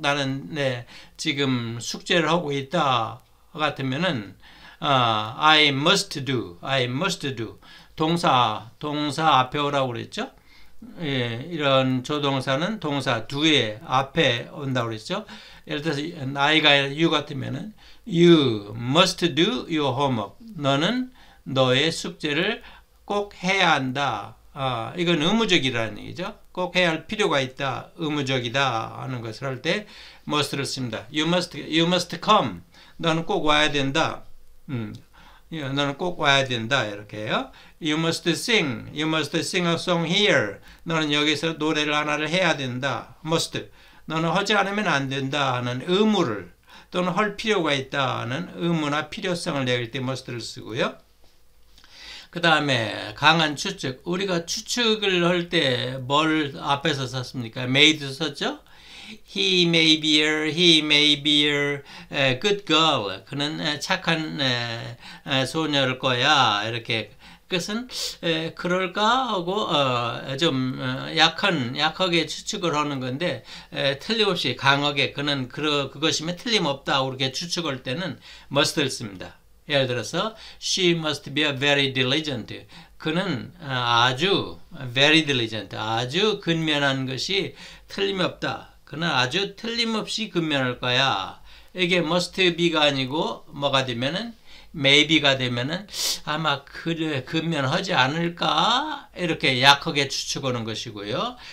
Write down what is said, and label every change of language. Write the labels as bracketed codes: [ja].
[ko] 나는 내 지금 숙제를 하고 있다 같으면은 [en] I must do. I must do. [ko] 동사 앞에 오라고 그랬죠? 예, 이런 조동사는 동사 두에 앞에 온다고 그랬죠? 예를 들어서 나이가 [en] you [ko] 같으면은 [en] you must do your homework. [ko] 너는 너의 숙제를 꼭 해야 한다. 이건 의무적이라는 얘기죠. 꼭 해야 할 필요가 있다. 의무적이다 하는 것을 할 때 must를 씁니다. [en] You must come. [ko] 너는 꼭 와야 된다. 너는 꼭 와야 된다. 이렇게 해요. [en] You must sing. You must sing a song here. [ko] 너는 여기서 노래를 하나를 해야 된다. [en] must. [ko] 너는 하지 않으면 안 된다 하는 의무를 또는 할 필요가 있다 하는 의무나 필요성을 내길 때 must를 쓰고요. 그 다음에 강한 추측. 우리가 추측을 할 때 뭘 앞에서 썼습니까? [en] made [ko] 썼죠? [en] He may be here. He may be here. Good girl. [ko] 그는 착한 소녀일 거야. 이렇게 그것은 그럴까 하고 좀 약하게 추측을 하는 건데 틀림없이 강하게 그는 그것이면 틀림없다 이렇게 추측할 때는 must를 씁니다. 예를 들어서 [en] she must be a very diligent. [ko] 그는 아주 [en] very diligent. [ko] 아주 근면한 것이 틀림없다. 그는 아주 틀림없이 근면할 거야. 이게 must be가 아니고 뭐가 되면은 maybe가 되면은 아마 그래 근면하지 않을까 이렇게 약하게 추측하는 것이고요.